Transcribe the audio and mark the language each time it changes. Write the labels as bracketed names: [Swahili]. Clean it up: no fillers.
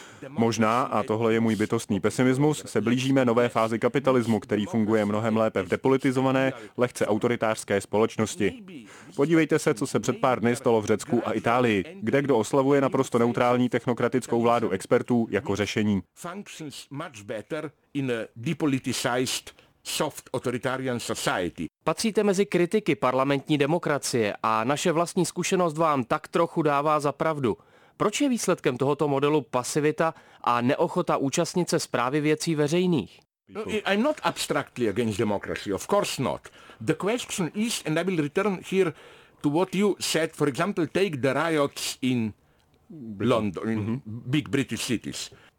[Czech] Možná, a tohle je můj bytostný pesimismus, se blížíme nové fázi kapitalismu, který funguje mnohem lépe v depolitizované, lehce autoritářské společnosti. Podívejte se, co se před pár dny stalo v Řecku a Itálii, kde kdo oslavuje naprosto neutrální technokratickou vládu expertů jako řešení. [English] Functions much better in a depoliticized soft authoritarian society. [Czech] Patříte mezi kritiky parlamentní demokracie a naše vlastní zkušenost vám tak trochu dává za pravdu. Proč je výsledkem tohoto modelu pasivita a neochota účastnit se správy věcí veřejných? [English] I'm not abstractly against democracy, of course not. The question is, and I will return here to what you said, for example, take the riots in London, in big British cities.